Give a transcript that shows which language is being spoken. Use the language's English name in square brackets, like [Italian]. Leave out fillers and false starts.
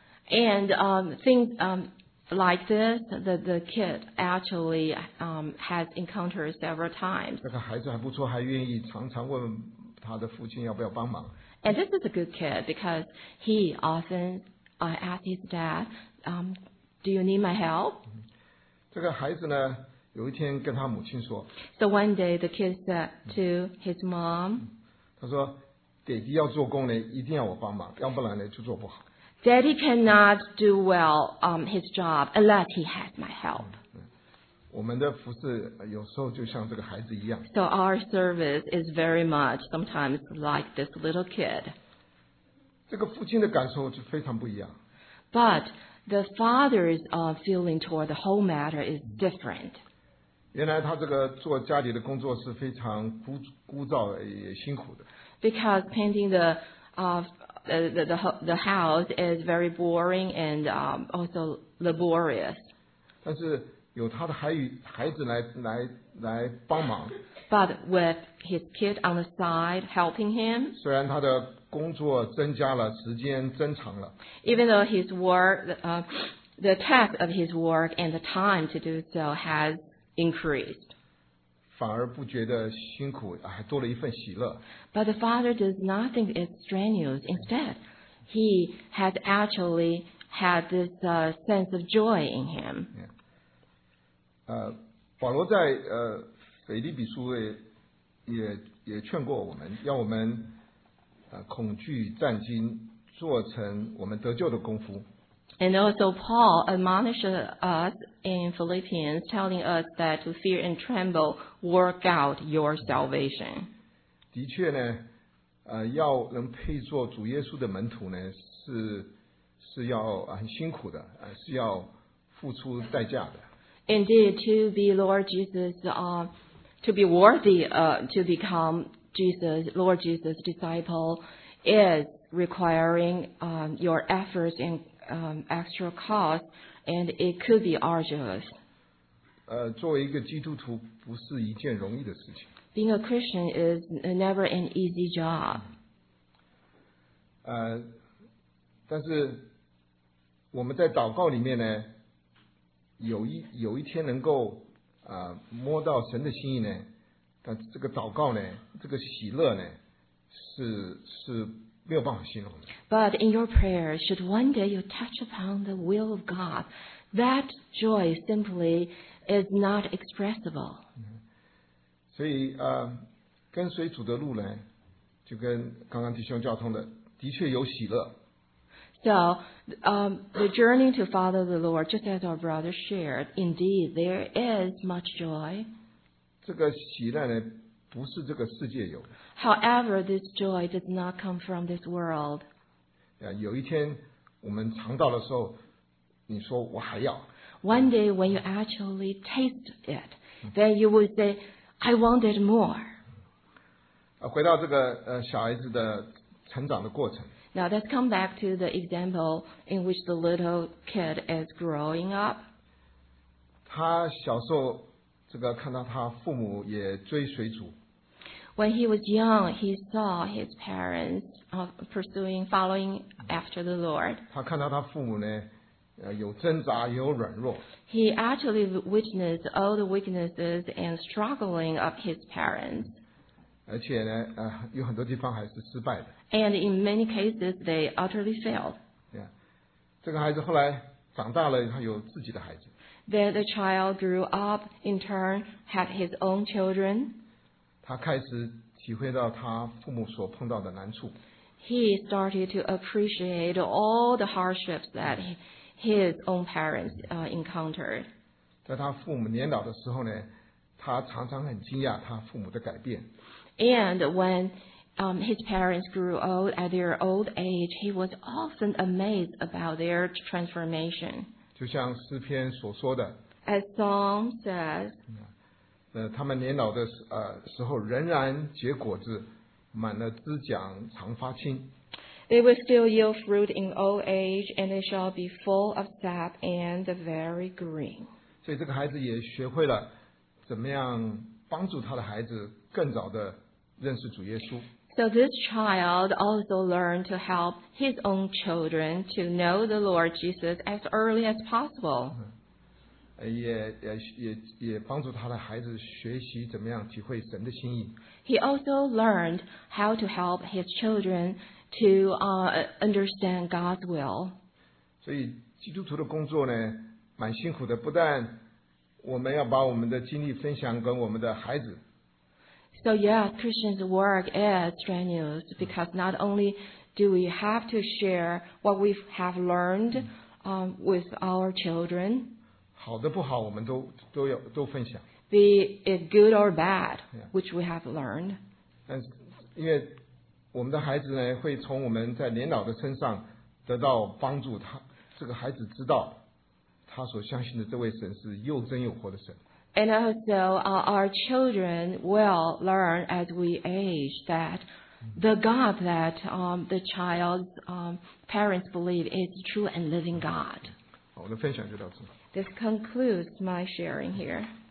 [English] And things like this, the kid actually has encountered several times. [Chinese] 这个孩子还不错，还愿意常常问他的父亲要不要帮忙。 [English] And this is a good kid because he often asked his dad, do you need my help? [Chinese] 这个孩子呢，有一天跟他母亲说。 [English] So one day the kid said to his mom, [Chinese] 他说，爹地要做工呢，一定要我帮忙，要不然呢就做不好。 [English] Daddy cannot do well his job unless he has my help. [Chinese] 我们的服事有时候就像这个孩子一样。 [English] So our service is very much sometimes like this little kid. [Chinese] 这个父亲的感受就非常不一样。 [English] But the father's feeling toward the whole matter is different. [Chinese] 原来他这个做家里的工作是非常枯燥也辛苦的。 [English] Because painting the house is very boring and also laborious. [Chinese] 但是有他的孩子来帮忙。 [English] But with his kid on the side helping him. [Chinese] 虽然他的工作增加了，时间增长了。 [English] Even though his work, the task of his work and the time to do so has increased. [Chinese] 反而不觉得辛苦，还多了一份喜乐。 [English] But the father does not think it's strenuous. Instead, he had actually had this sense of joy in him. [Chinese] 保罗在腓立比书也劝过我们，要我们恐惧战惊，做成我们得救的功夫。 [English] And also Paul admonished us in Philippians, telling us that to fear and tremble, work out your salvation. [Chinese] 的确呢，要能配做主耶稣的门徒呢，是要很辛苦的，是要付出代价的。 [English] Indeed, to be Lord Jesus, to be worthy, to become Lord Jesus' disciple, is requiring your efforts and extra cost, and it could be arduous. [Chinese] 作为一个基督徒，不是一件容易的事情。 [English] Being a Christian is never an easy job. [Chinese] 但是我们在祷告里面呢，有一天能够摸到神的心意呢，但这个祷告呢，这个喜乐呢，是没有办法形容的。 [English] But in your prayer, should one day you touch upon the will of God, that joy simply is not expressible. [Chinese] 所以跟随主的路呢，就跟刚刚弟兄交通的，的确有喜乐。 [English] So, the journey to follow the Lord, just as our brother shared, indeed, there is much joy. [Chinese] 这个喜乐呢，不是这个世界有的。 [English] However, this joy does not come from this world. [Chinese] 有一天我们尝到的时候，你说我还要。 [English] One day when you actually taste it, then you would say, I want it more. [Chinese] 回到这个小孩子的成长的过程。 [English] Now let's come back to the example in which the little kid is growing up. [Chinese] 他小时候这个看到他父母也追随主。 [English] When he was young, he saw his parents following after the Lord. [Chinese] 他看到他父母呢，有挣扎，也有软弱。 [English] He actually witnessed all the weaknesses and struggling of his parents. [Chinese] 而且呢，有很多地方还是失败的。 [English] And in many cases, they utterly failed. Yeah. [Chinese] 这个孩子后来长大了，他有自己的孩子。 [English] Then the child grew up, in turn, had his own children. [Chinese] 他开始体会到他父母所碰到的难处。 [English] He started to appreciate all the hardships that his own parents encountered. [Chinese] 在他父母年老的时候呢，他常常很惊讶他父母的改变。 [English] And when his parents grew old at their old age, he was often amazed about their transformation. [Chinese] 就像诗篇所说的, [English] As Psalm says, [Chinese] 他们年老的时候仍然结果子, 满了枝桨常发青。 [English] They will still yield fruit in old age, and they shall be full of sap and very green. [Chinese] 所以这个孩子也学会了怎么样帮助他的孩子更早的认识主耶稣。 [English] So this child also learned to help his own children to know the Lord Jesus as early as possible. [Chinese] 也帮助他的孩子学习怎么样体会神的心意。 [English] He also learned how to help his children to understand God's will. [Chinese] 所以基督徒的工作呢，蛮辛苦的，不但我们要把我们的经历分享跟我们的孩子。 [English] So yes, Christian's work is strenuous because not only do we have to share what we have learned with our children, [Chinese] 好的不好我们都分享。 [English] Be it good or bad, which we have learned. [Chinese] 但因为我们的孩子呢，会从我们在年老的身上得到帮助，这个孩子知道他所相信的这位神是又真又活的神。 [English] And also, our children will learn as we age that the God that the child's parents believe is true and living God. [Chinese] 好，我的分享就到此。 [English] This concludes my sharing here.